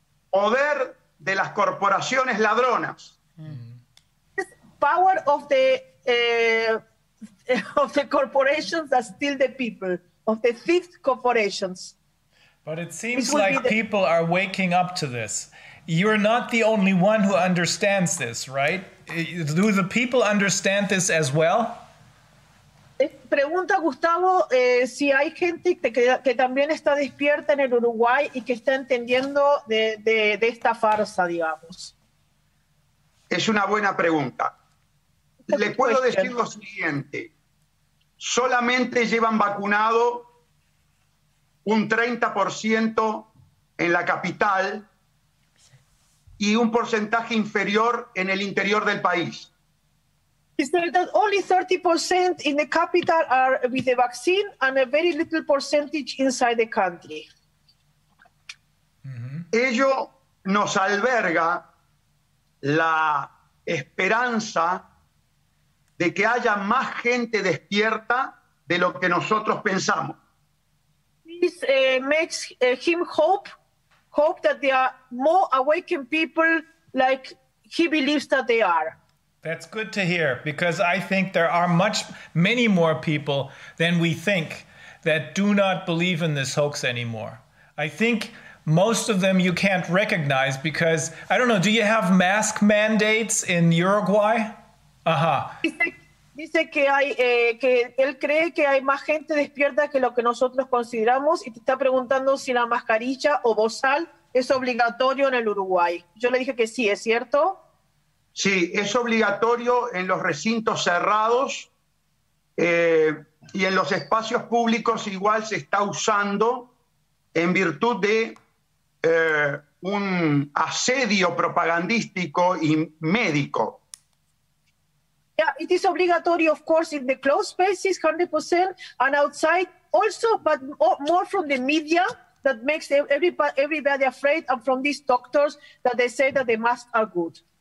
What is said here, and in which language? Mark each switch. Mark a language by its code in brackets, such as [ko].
[es] Poder de las corporaciones ladronas. [en] Power of the corporations that steal the people, of the thief corporations. But it seems like people are waking up to this. You're not the only one who understands this, right? Do the people understand this as well? [es] Pregunta Gustavo si hay gente que también está despierta en el Uruguay y que está entendiendo de esta farsa, digamos. Es una buena pregunta. Le puedo decir lo siguiente. Solamente llevan vacunado un 30% en la capital y un porcentaje inferior en el interior del país. [en] Is that only 30% in the capital are with the vaccine and a very little percentage inside the country? [es] Ello nos alberga la esperanza de que haya más gente despierta de lo que nosotros pensamos. [en] This makes him hope that there are more awakened people like he believes that they are. That's good to hear, because I think there are many more people than we think that do not believe in this hoax anymore. I think most of them you can't recognize because, I don't know, do you have mask mandates in Uruguay? Uh-huh. [es] Dice que hay que él cree que hay más gente despierta que lo que nosotros consideramos y te está preguntando si la mascarilla o bozal es obligatorio en el Uruguay. Yo le dije que sí, ¿es cierto? Sí, es obligatorio en los recintos cerrados y en los espacios públicos igual se está usando en virtud de un asedio propagandístico y médico. [en] Yeah, it is obligatory, of course, in the closed spaces, 100%, and outside also, but more from the media that makes everybody afraid, and from these doctors that they say that the masks are good.